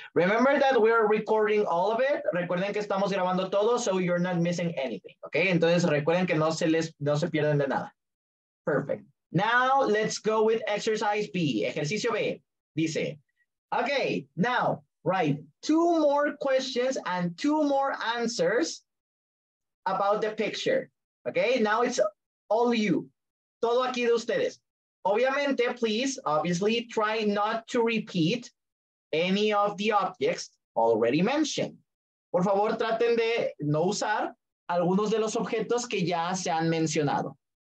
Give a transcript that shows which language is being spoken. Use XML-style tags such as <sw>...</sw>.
<en>Remember that we are recording all of it.</en> <es>Recuerden que estamos grabando todo,</es> <en>so you're not missing anything. Okay?</en> <es>Entonces recuerden que no se pierden de nada.</es> <en>Perfect. Now, let's go with exercise B.</en> <es>Ejercicio B.</es> <en>Dice, okay, now, right, two more questions and two more answers about the picture. Okay, now it's all you.</en> <es>Todo aquí de ustedes.</es> <en>Obviamente, please, obviously, try not to repeat any of the objects already mentioned.</en> <es>Por favor, traten de no usar algunos de los objetos que ya se han mencionado.</es>